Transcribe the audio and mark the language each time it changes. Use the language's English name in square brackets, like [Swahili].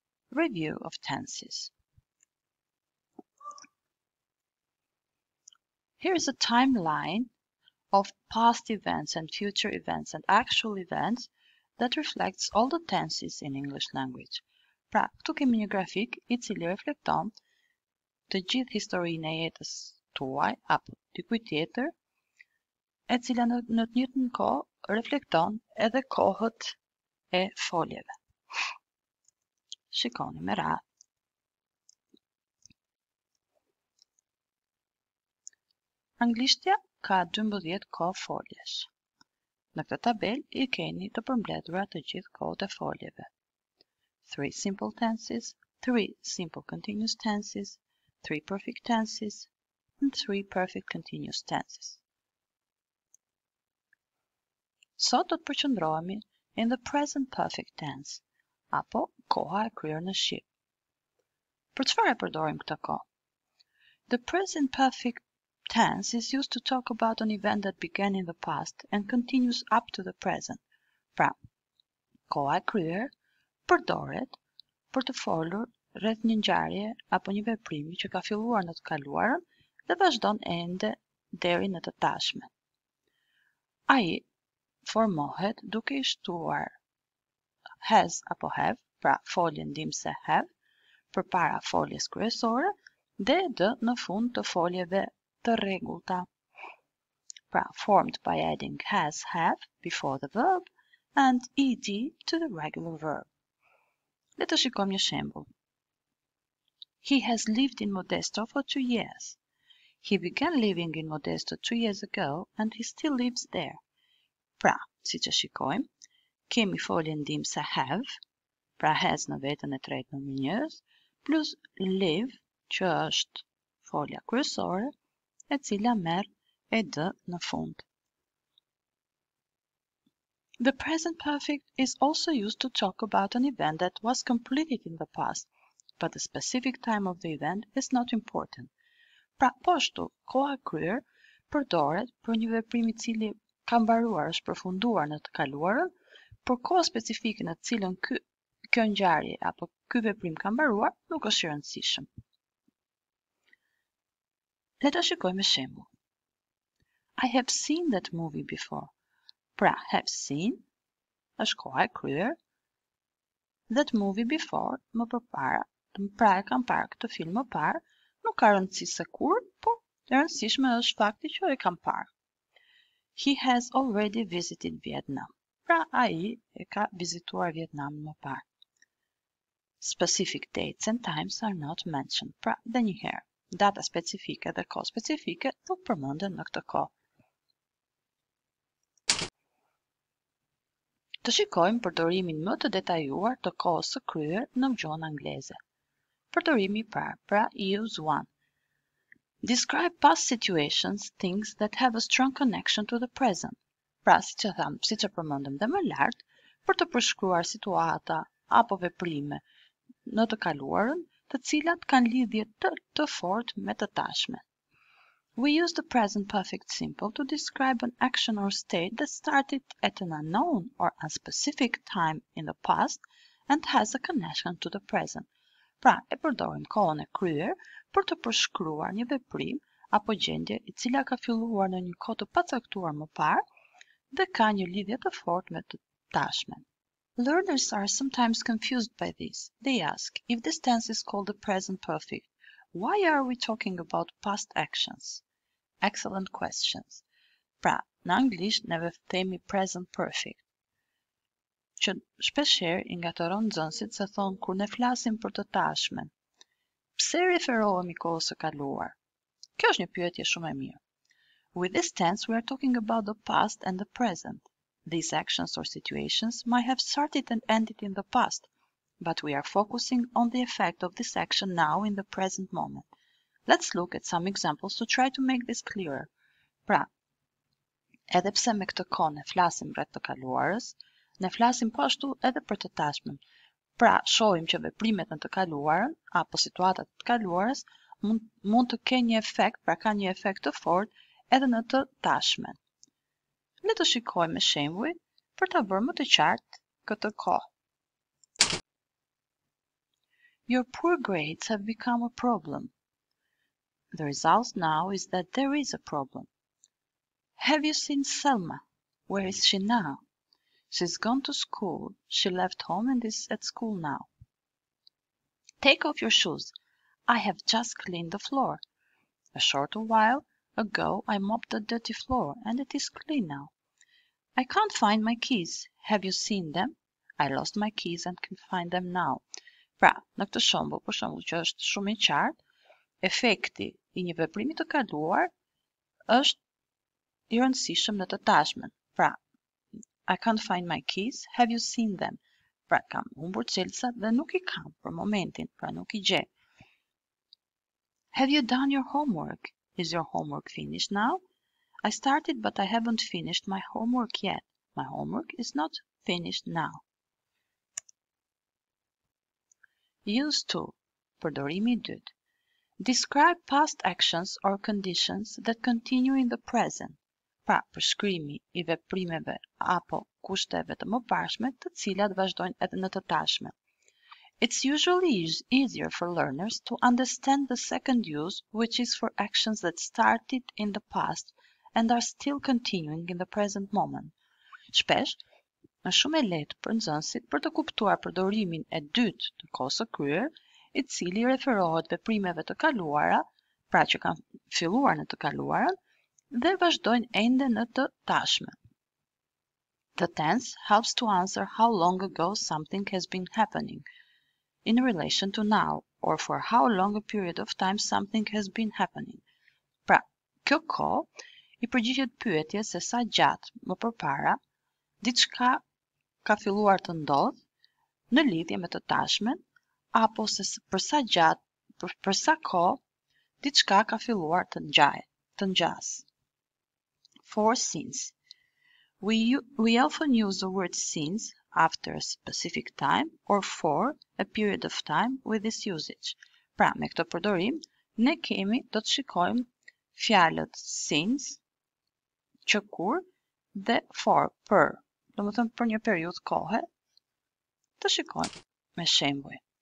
[English] Review of tenses. Here is a timeline of past events and future events and actual events that reflects all the tenses in English language. [Albanian] Pra, këtu kemi një grafik I cili reflekton të gjithë historinë e jetës tuaj apo dikujt tjetër, e cila në të njëjtën kohë reflekton edhe kohët e foljeve. Shikoni me radhë. Anglishtja ka 12 kohë foljesh. Në këtë tabel I keni të përmbledhura të gjithë kohët e foljeve. [English] 3 simple tenses, 3 simple continuous tenses, 3 perfect tenses, and 3 perfect continuous tenses. [Albanian] Sot do të përqendrohemi [English] in the present perfect tense, [Albanian] apo koha e kryer në shqip. Për çfarë e përdorim këtë kohë? [English] The present perfect tense is used to talk about an event that began in the past and continues up to the present. [Albanian] Pra, koha e kryer përdoret për të folur rreth një ngjarje apo një veprimi që ka filluar në të kaluarën dhe vazhdon ende deri në të tashmen. Ai formohet duke I shtuar has apo have, pra foljen ndimse have, përpara foljes kryesore dhe dë në fund të foljeve të rregullta. [English] Pra, formed by adding has, have before the verb and ed to the regular verb. [Albanian] Le të shikojmë një shembull. [English] He has lived in Modesto for 2 years. He began living in Modesto 2 years ago and he still lives there. [Albanian] Pra, siç e shikojmë, kemi foljen ndimse have, pra has në veten e tretë nominjës, plus live, që është folja kryesore, e cila merr ed në fund. [English] The present perfect is also used to talk about an event that was completed in the past, but the specific time of the event is not important. [Albanian] Pra, po ashtu, koha kryer përdoret për një veprim I cili ka mbaruar, është përfunduar në të kaluarën, por koha specifike në të cilën kjo ngjarje apo ky veprim ka mbaruar nuk është e rëndësishme. Le ta shikojmë shembull. [English] I have seen that movie before. [Albanian] Pra, have seen, është koha e kryer, [English] that movie before, [Albanian] më përpara, pra e kam parë këtë film më parë, nuk ka rëndësi se kur, po e rëndësishme është fakti që e kam parë. [English] He has already visited Vietnam. [Albanian] Pra, ai e ka vizituar Vietnam më parë. [English] Specific dates and times are not mentioned. [Albanian] Pra, dhe njëherë, data specifike dhe kohë specifike nuk përmenden në këtë kohë. Të shikojmë përdorimin më të detajuar të kohës së kryer në gjuhën angleze. Përdorimi pra [English] use 1. Describe past situations, things that have a strong connection to the present. [Albanian] Pra, siç e përmendëm dhe më lart, për të përshkruar situata apo veprime në të kaluarën, të cilat kanë lidhje të fortë me të tashmen. [English] We use the present perfect simple to describe an action or state that started at an unknown or unspecific time in the past and has a connection to the present. [Albanian] Pra, e përdorim kohën e kryer për të përshkruar një veprim apo gjendje I cila ka filluar në një kohë të pacaktuar më parë dhe ka një lidhje të fortë me të tashmen. [English] Learners are sometimes confused by this. They ask if this tense is called the present perfect. Why are we talking about past actions? Excellent questions. [Albanian] Pra, në anglisht neve themi present perfect. Që shpeshherë I ngatëron nxënësit se thonë kur ne flasim për të tashmen. Pse referohemi kohës së kaluar? Kjo është një pyetje shumë e mirë. [English] With this tense we are talking about the past and the present. These actions or situations might have started and ended in the past. But we are focusing on the effect of this action now in the present moment. Let's look at some examples to try to make this clearer. [Albanian] Pra, edhe pse me këtë kohë ne flasim rreth të kaluarës, Ne flasim po ashtu edhe për të tashmen. Pra, shohim që veprimet në të kaluarën, apo situatat të kaluarës, mund të ke një efekt, pra ka një efekt të fort, edhe në të tashmen. Le të shikojmë me shembuj për ta bërë më të qartë këtë kohë. [English] Your poor grades have become a problem. The result now is that there is a problem. Have you seen Selma? Where is she now? She's gone to school. She left home and is at school now. Take off your shoes. I have just cleaned the floor. A short while ago I mopped the dirty floor and it is clean now. I can't find my keys. Have you seen them? I lost my keys and can find them now. [Albanian] Pra, në këtë shembull, për shembull që është shumë I qartë, efekti I një veprimi të kaluar është I rëndësishëm në të tashmen. [English] Pra, I can't find my keys. Have you seen them? [Albanian] Pra, kam humbur çelësat dhe nuk I kam për momentin, pra nuk I gjej. [English] Have you done your homework? Is your homework finished now? I started, but I haven't finished my homework yet. My homework is not finished now. Use 2. [Albanian] Përdorimi 2. [English] Describe past actions or conditions that continue in the present. [Albanian] Pra, përshkrimi I veprimeve apo kushteve të mëparshme të cilat vazhdojnë edhe në të tashme. [English] It's usually easier for learners to understand the second use, which is for actions that started in the past and are still continuing in the present moment. [Albanian] Shpesh, në shumë e letë për nxënësit për të kuptuar përdorimin e dytë të kohës së kryer, I cili referohet veprimeve të kaluara, pra që kanë filluar në të kaluarën, dhe vazhdojnë ende në të tashme. [English] The tense helps to answer how long ago something has been happening in relation to now, or for how long a period of time something has been happening. [Albanian] Pra, kjo kohë I përgjigjet pyetjes se sa gjatë më përpara diçka ka filluar të ndodhë në lidhje me të tashmen, apo se përsa gjatë, përsa kohë, diçka ka filluar të ngjasë. [English] For since. We often use the word since after a specific time or for a period of time with this usage. [Albanian] Pra, me këtë përdorim, ne kemi do të shikojmë fjalët since, që kur dhe for, për, do më thëmë për një periud kohë, të shikojmë me shembuj.